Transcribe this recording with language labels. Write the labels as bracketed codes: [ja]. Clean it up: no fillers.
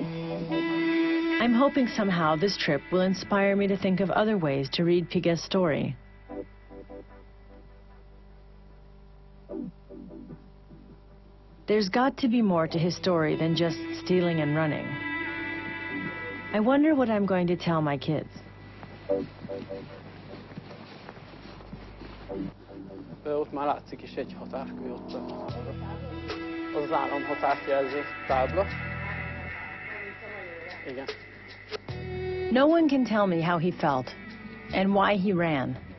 [en] I'm hoping somehow this trip will inspire me to think of other ways to read Pige's story. There's got to be more to his story than just stealing and running. I wonder what I'm going to tell my kids. [hu] Ott már látszik is egy határkő, ott az államhatárt jelző tábla. Igen. [en] No one can tell me how he felt and why he ran.